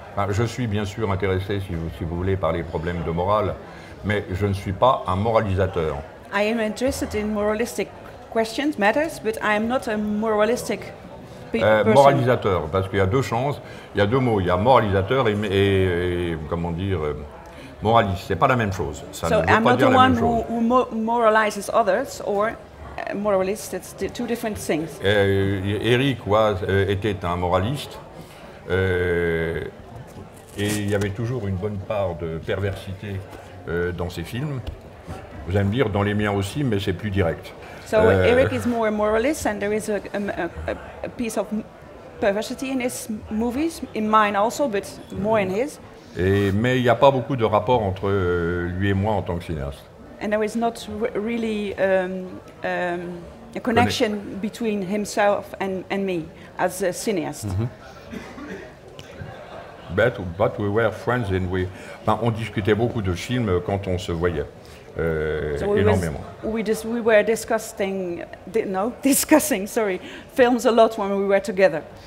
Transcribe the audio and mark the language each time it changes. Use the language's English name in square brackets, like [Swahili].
[French] Je suis bien sûr intéressé, si vous voulez, par les problèmes de morale, mais je ne suis pas un moralisateur. [English] I am interested in moralistic questions, matters, but I am not a moralistic [French] Moralisateur, parce qu'il y a deux chances, il y a deux mots, il y a moralisateur et comment dire, moraliste, c'est pas la même chose. [English] Ça so, I'm not the one who moralizes others, or moralist, it's two different things. [French] Eric était un moraliste, et il y avait toujours une bonne part de perversité dans ses films. Vous allez me dire, dans les miens aussi, mais c'est plus direct. [English] So Eric is more a moralist, and there is a piece of perversity in his movies, in mine also, but more in his. [French] Mais il n'y a pas beaucoup de rapport entre lui et moi en tant que cinéaste. [English] And there is not really a connection between himself and me as a cineast. [French] Mm-hmm. [English] But we were friends, and [French] on discutait beaucoup de films quand on se voyait. [English] We were discussing films a lot when we were together.